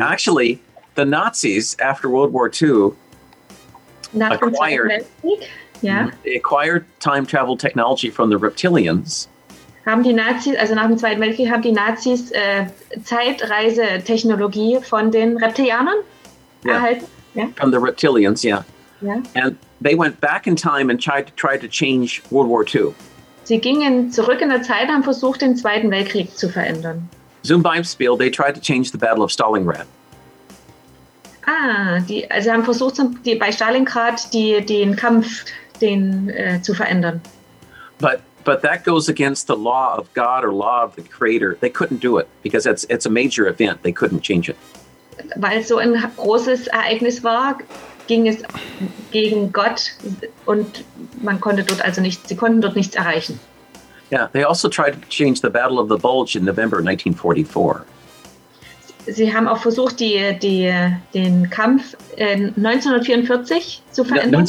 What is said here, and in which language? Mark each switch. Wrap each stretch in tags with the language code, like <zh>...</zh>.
<en>Actually, the Nazis after World War II acquired time travel technology from the reptilians.</en> <de>Haben die Nazis, also nach dem Zweiten Weltkrieg, haben die Nazis Zeitreisetechnologie von den Reptilianern erhalten?</de> <en>Yeah. From the reptilians, yeah. Yeah. And they went back in time and tried to change World War II.</en> <de>Sie gingen zurück in der Zeit und haben versucht, den Zweiten Weltkrieg zu verändern. Zum Beispiel,</de> <en>they tried to change the Battle of Stalingrad.</en> <de>Ah, die, also haben versucht, bei Stalingrad den Kampf zu verändern.</de> <en>But that goes against the law of God or law of the creator. They couldn't do it because it's a major event. They couldn't change it.</en> <de>Weil so ein großes Ereignis war, ging es gegen Gott und man konnte dort also nichts, sie konnten dort nichts erreichen.</de> <en>Yeah, they also tried to change the Battle of the Bulge in November 1944.</en> <de>Sie haben auch versucht, den Kampf 1944 zu verändern.</de>